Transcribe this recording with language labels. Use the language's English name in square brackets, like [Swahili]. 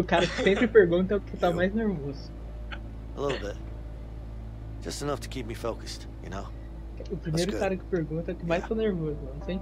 [Portuguese] O cara que sempre pergunta é o que tá mais nervoso. [English] A little bit. Just enough to keep me focused, you know? [Portuguese] O primeiro cara que pergunta é o que mais tá nervoso, mano.